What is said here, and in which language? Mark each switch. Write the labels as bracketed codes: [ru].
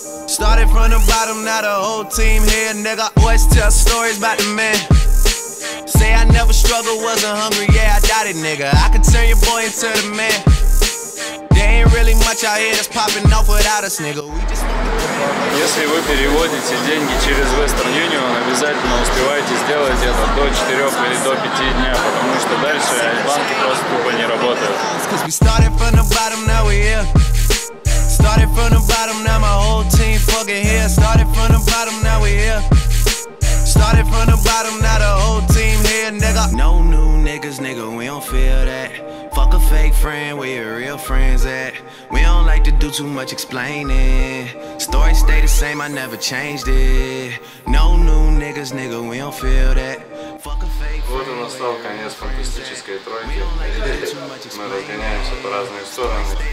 [en] Started from the bottom, now the whole team here, nigga. Always tell stories about the man. Say I never struggled, wasn't hungry, yeah, I doubt it, nigga. I could turn your boy into the man. There ain't really much out here that's popping off without us, nigga. We just need... [ru] Если вы переводите деньги через Western Union, обязательно успевайте сделать это до 4 или до 5 дня, потому что дальше банки просто тупо не работают. [en] We started from the bottom, now we here. Started from the bottom, now my whole team fucking here. Started from the bottom, now we here. Started from the bottom, now the whole team here, nigga. No new niggas, nigga, we don't feel that. Fuck a fake friend, where your real friends at? We don't like to do too much explaining. Story stay the same, I never changed it. No new niggas, nigga, we don't feel that. Fuck a fake friend. [ru] Вот и настал конец фантастической тройки. Мы разгоняемся по разные стороны.